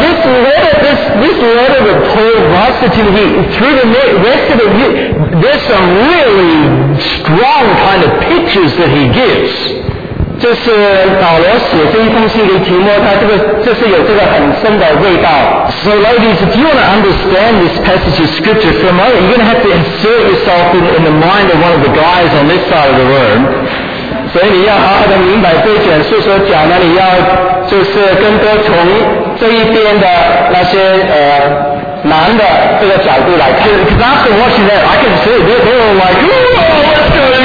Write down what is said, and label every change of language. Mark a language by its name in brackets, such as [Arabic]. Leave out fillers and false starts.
[English] this letter, this letter of Paul writes it to me through the rest of it. There's some really strong kind of pictures that he gives. [Chinese] 这是保罗写这一封信给提摩，他这个就是有这个很深的味道。 [English] So ladies, if you want to understand this passage of scripture for a moment, you're going to have to insert yourself in the mind of one of the guys on this side of the room. [Chinese] 所以你要好好的明白这卷书所讲的，你要就是更多从这一边的那些男的这个角度来看。 [English] Because after watching that, I can see they're all like, "Whoa, what's going on?